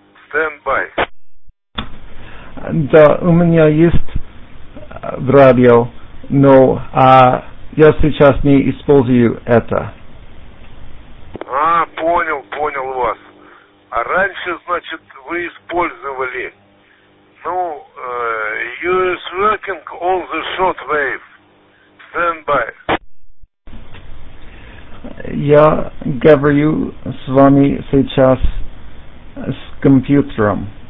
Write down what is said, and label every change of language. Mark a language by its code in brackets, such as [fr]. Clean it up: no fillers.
[en] Stand by. [ru] Да, у меня есть в радио, но я сейчас не использую это. А, понял вас. А раньше, значит, вы использовали... [en] Ну, you is working on the short wave. Stand by. [ru] Я говорю с вами сейчас с компьютером.